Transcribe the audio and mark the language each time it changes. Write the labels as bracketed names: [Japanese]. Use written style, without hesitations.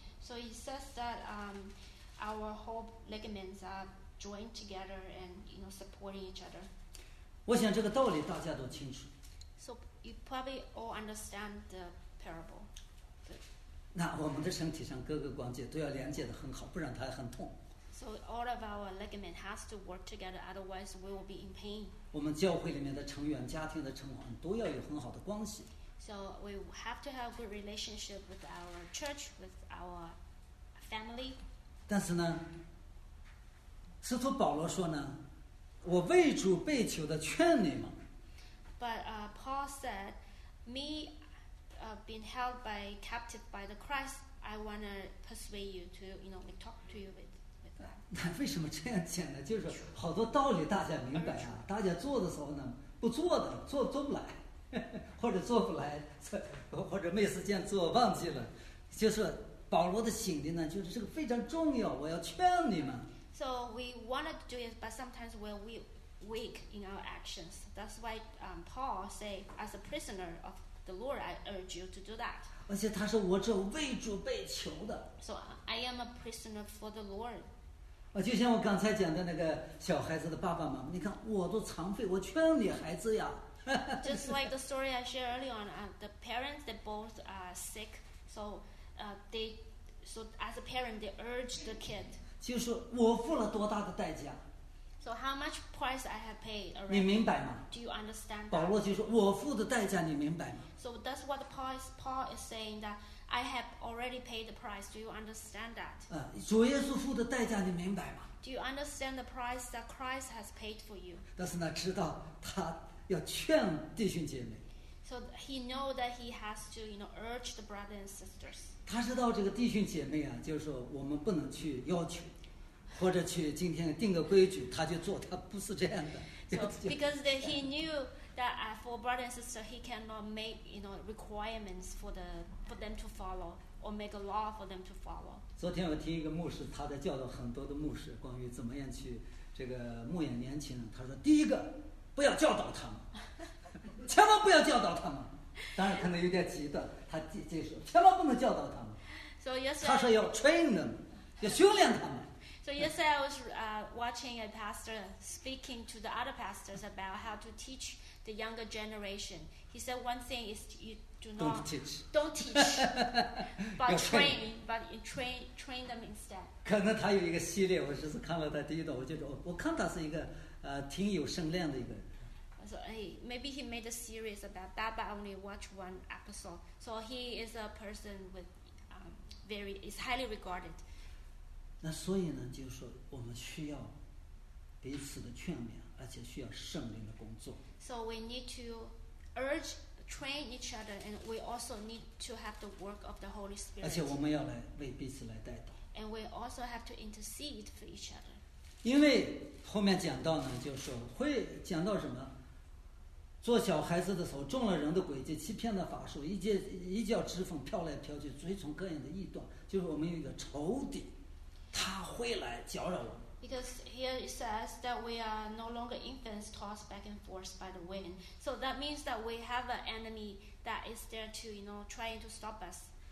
[English] So he says that our whole ligaments are joined together and you know supporting each other. [Chinese] 我想这个道理大家都清楚。 [English] So you probably all understand the parable. [Chinese] 那我们的身体上各个关节都要连接得很好，不然它很痛。 [English] So all of our ligament has to work together, otherwise we will be in pain. [Chinese] 我们教会里面的成员、家庭的成员都要有很好的关系。 [English] So we have to have a good relationship with our church, with our family. [Chinese] 但是呢，使徒保罗说呢，我为主被囚的劝你们。 [English] But Paul said, me being held by captive by the Christ, I want to persuade you to, you know, like, talk to you with that. [Chinese] 为什么这样讲呢？就是好多道理大家明白啊，大家做的时候呢，不做的，做不来。或者做不来，或者没时间做忘记了，就是保罗的醒的呢，就是这个非常重要，我要劝你们。 [English] So we wanted to do it, but sometimes we're weak in our actions. That's why Paul say, as a prisoner of the Lord, I urge you to do that. [Chinese] 而且他说我这为主被囚的。 [English] So I am a prisoner for the Lord. [Chinese] 就像我刚才讲的那个小孩子的爸爸妈妈，你看我都残废，我劝你孩子呀。 [English] Just like the story I shared earlier on, the parents, they both are sick. So, so as a parent, they urge the kid. [Chinese] 就是我付了多大的代价。 [English] So how much price I have paid already? [Chinese] 你明白吗？ [English] Do you understand? [Chinese] 保罗就说我付的代价，你明白吗？ [English] So that's what Paul is saying, that I have already paid the price. Do you understand that? [Chinese] 主耶稣付的代价，你明白吗？ [English] Do you understand the price that Christ has paid for you? [Chinese] 但是呢，知道他。要劝弟兄姐妹。 [English] So he know that he has to, you know, urge the brothers and sisters. [Chinese] 他知道这个弟兄姐妹啊，就是说我们不能去要求，或者去今天定个规矩，他就做，他不是这样的。 [English] So because that he knew that for brothers and sisters, he cannot make, you know, requirements for them to follow or make a law for them to follow. [Chinese] 昨天我听一个牧师，他在教导很多的牧师关于怎么样去这个牧养年轻人。他说第一个。不要教导他们，千万不要教导他们。当然可能有点极端，他就说千万不能教导他们。 [English] So yesterday, [Chinese] 他说要 [English] train them， [Chinese] 要训练他们。 [English] So yesterday I was watching a pastor speaking to the other pastors about how to teach the younger generation. He said one thing is you do not don't teach, but train, train them instead. [Chinese] 可能他有一个系列，我只是看了他第一段，我就说，我看他是一个。挺有声量的一个。 [English] So, maybe he made a series about that, but only watch one episode. So he is a person with is highly regarded. [Chinese] 那所以呢，就是说我们需要彼此的劝勉，而且需要圣灵的工作。 [English] So we need to urge, train each other, and we also need to have the work of the Holy Spirit. [Chinese] 而且我们要来为彼此来代祷。 [English] And we also have to intercede for each other. [Chinese] 因为后面讲到呢，就是会讲到什么，做小孩子的时候中了人的诡计，欺骗的法术，一脚指缝飘来飘去，随从各样的异端，就是我们有一个仇敌，他会来搅扰我们。 [English] Because here it says that we are no longer infants tossed back and forth by the wind, so that means that we have an enemy that is there to, you know, trying to stop us.